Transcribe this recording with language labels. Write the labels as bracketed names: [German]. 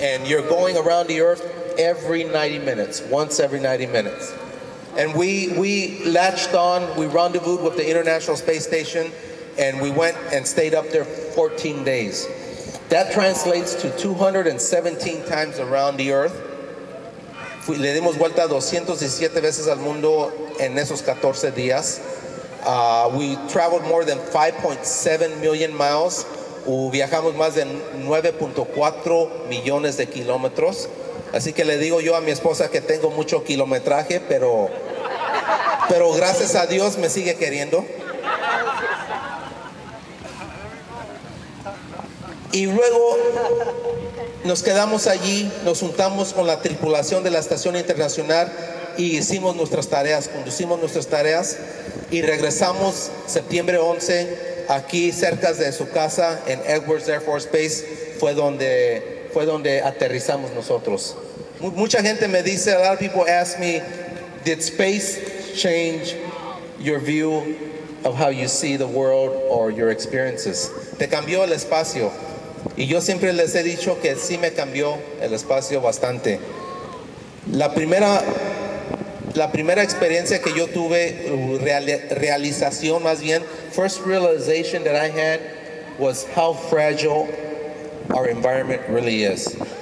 [English] And you're going around the Earth every 90 minutes, once every 90 minutes. And we latched on, we rendezvoused with the International Space Station, and we went and stayed up there 14 days. That translates to 217 times around the Earth. [Spanish] Le dimos vuelta 217 veces al mundo en esos 14 días. [English] We traveled more than 5.7 million miles. [Spanish] Viajamos más de 9.4 millones de kilómetros. Así que le digo yo a mi esposa que tengo mucho kilometraje, pero gracias a Dios me sigue queriendo. Y luego nos quedamos allí, nos juntamos con la tripulación de la Estación Internacional y hicimos nuestras tareas, conducimos nuestras tareas y regresamos septiembre 11 aquí cerca de su casa en Edwards Air Force Base, fue donde aterrizamos nosotros. Mucha gente me dice, [English] a lot of people ask me, did space change your view of how you see the world or your experiences? [Spanish] ¿Te cambió el espacio? Y yo siempre les he dicho que sí me cambió el espacio bastante. La primera experiencia que yo tuve, realización más bien, [English] first realization that I had was how fragile our environment really is.